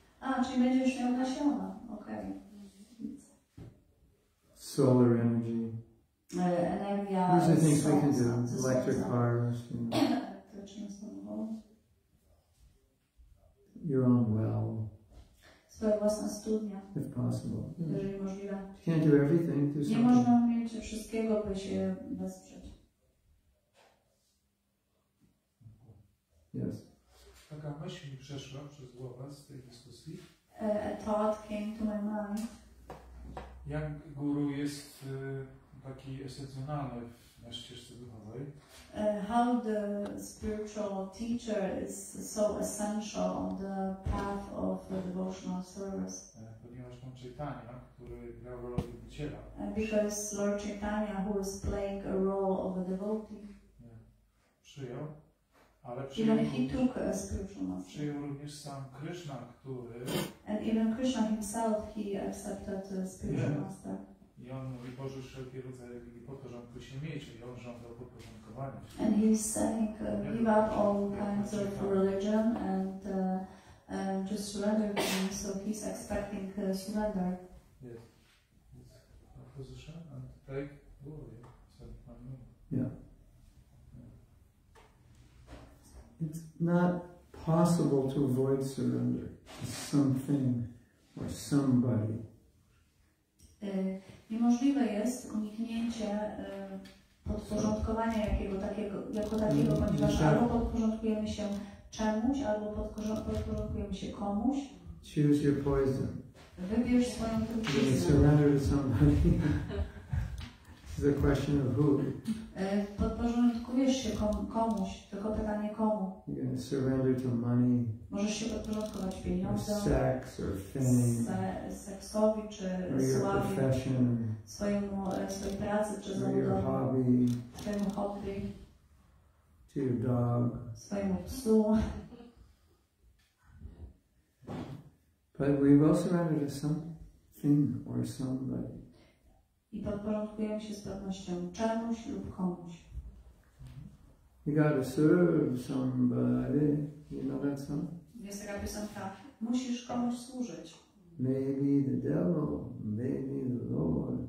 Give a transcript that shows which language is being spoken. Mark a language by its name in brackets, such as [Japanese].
[Polish] A, czyli będziesz miał nasiona, okej. [English] Solar energy. [Polish] Energia. [English] These are things we can do, electric cars. [Polish] Elektryczne samochody. [English] Your own well. [Polish] Swoja własna studnia. [English] If possible. [Polish] Jeżeli możliwe. [English] Can't do everything. [Polish] Do nie można umieć wszystkiego, by się wesprzeć. [English] Yes. [Polish] Taka myśl mi przeszła przez głowę z tej dyskusji. [English] A thought came to my mind. [Polish] Jak guru jest taki esencjonalny na ścieżce duchowej? [English] How the spiritual teacher is so essential on the path of the devotional service. [Polish] Ponieważ Pan Chaitanya, który grał rolę wielbiciela. [English] Because Lord Chaitanya, who is playing a role of a devotee. Yeah. [Polish] Przyjął, ale przyjął. [English] Even he took a spiritual master. [Polish] Przyjął również sam Krishna, który. [English] And even Krishna himself, he accepted a spiritual master. [Polish] I on mówi, Boże, wszelkie rodzaje religii po to, żeby się mieć, i on żądał podporządkowania. [English] And he's saying, give up all kinds of religion and just surrender to him, so he's expecting surrender. Yes. It's a position and take glory. Yeah. It's not possible to avoid surrender to something or somebody. [Polish] Niemożliwe jest uniknięcie podporządkowania jako takiego, ponieważ albo podporządkujemy się czemuś, albo podporządkujemy się komuś. [English] Choose your poison. [Polish] Wybierz swoją trucizną. [English] Surrender to somebody. It's a question of who. [Polish] Podporządkujesz się komuś, tylko pytanie komu. [English] You can surrender to money. [Polish] Możesz się podporządkować pieniądzom. [English] Sex or fame. [Polish] Seksowi czy sławie. Swojej pracy czy zawodowi. Swojemu hobby. [English] To your dog. [Polish] Swojemu psu. [English] But we will surrender to something or somebody. [Polish] I podporządkujemy się z pewnością czemuś lub komuś. [English] You gotta serve somebody. You know that song? [Polish] Jest taka piosenka. Musisz komuś służyć. [English] Maybe the devil, maybe the Lord.